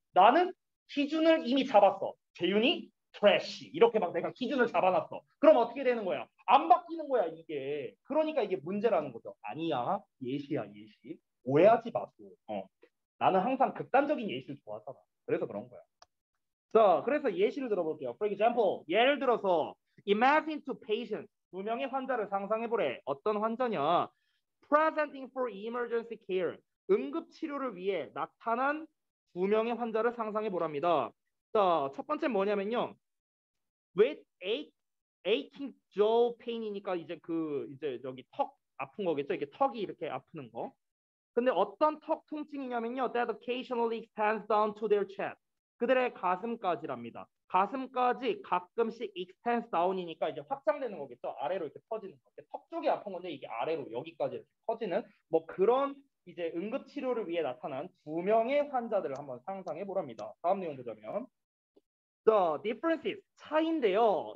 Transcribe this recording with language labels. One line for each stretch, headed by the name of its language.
Korean: 나는 기준을 이미 잡았어. 재윤이 트래쉬. 이렇게 막 내가 기준을 잡아놨어. 그럼 어떻게 되는 거야? 안 바뀌는 거야 이게. 그러니까 이게 문제라는 거죠. 아니야. 예시야 예시. 오해하지 마소. 나는 항상 극단적인 예시를 좋아하잖아. 그래서 그런 거야. 자, 그래서 예시를 들어볼게요.
English: For example,
Korean: 예를 들어서
English: Imagine two patients.
Korean: 두 명의 환자를 상상해보래. 어떤 환자냐?
English: Presenting for emergency care.
Korean: 응급치료를 위해 나타난 두 명의 환자를 상상해보랍니다. 자, 첫 번째 뭐냐면요.
English: With aching jaw pain
Korean: 이니까 이제 그 이제 여기 턱 아픈 거겠죠? 이게 턱이 이렇게 아프는 거. 근데 어떤 턱 통증이냐면요.
English: That occasionally extends down to their chest.
Korean: 그들의 가슴까지랍니다. 가슴까지 가끔씩
English: extends down
Korean: 이니까 이제 확장되는 거겠죠. 아래로 이렇게 퍼지는 거. 턱 쪽이 아픈 건데 이게 아래로 여기까지 이렇게 퍼지는 뭐 그런 이제 응급치료를 위해 나타난 두 명의 환자들을 한번 상상해보랍니다. 다음 내용 보자면
English: The differences,
Korean: 차이인데요.